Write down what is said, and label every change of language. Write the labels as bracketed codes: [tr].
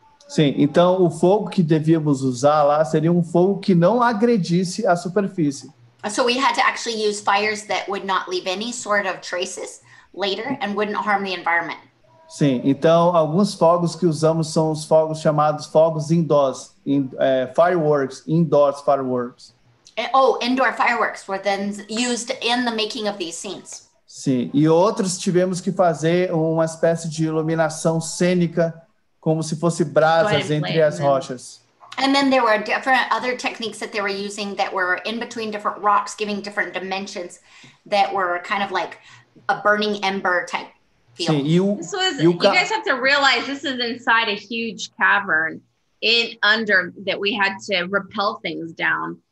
[pt] Sim, então o fogo que devíamos usar lá seria um fogo que não agredisse a superfície. [en] So we had to actually use fires that would not leave any sort of traces later and wouldn't harm the environment. [pt] Sim, então alguns fogos que usamos são os fogos chamados fogos indoors, indoor fireworks. [en] Indoor fireworks were then used in the making of these scenes. [pt] Sim, e outros tivemos que fazer uma espécie de iluminação cênica, como se fosse brasas entre as rochas. [en] And then there were different other techniques that they were using that were in between different rocks, giving different dimensions that were kind of like a burning ember type feel. [pt] Sim, [en] you guys have to realize this is inside a huge cavern in under that we had to rappel things down.